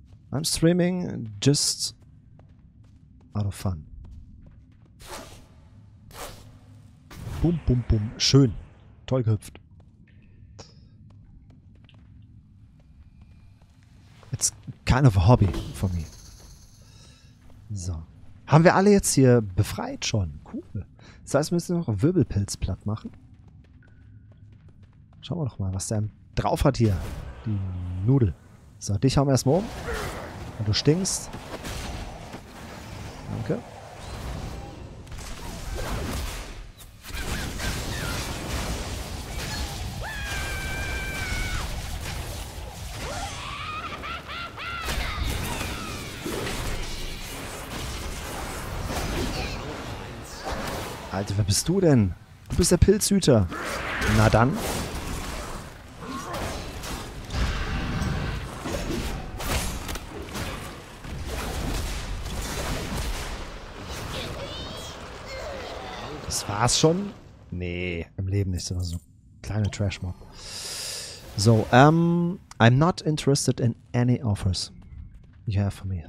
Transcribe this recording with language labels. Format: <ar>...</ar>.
<en>I'm streaming just out of fun.</en> <de>Bum, bum, bum. Schön. Toll gehüpft.</de> <en>It's kind of a hobby for me. So.</en> <de>Haben wir alle jetzt hier befreit schon? Cool. Das heißt, wir müssen noch Wirbelpilz platt machen. Schauen wir doch mal, was der drauf hat hier. Die Nudel. So, dich haben wir erstmal um. Und du stinkst. Danke. Alter, wer bist du denn? Du bist der Pilzhüter. Na dann. Das war's schon? Nee, im Leben nicht. So ein kleiner Trash-Mob.</de> <en>So, I'm not interested in any offers you have for me.</en>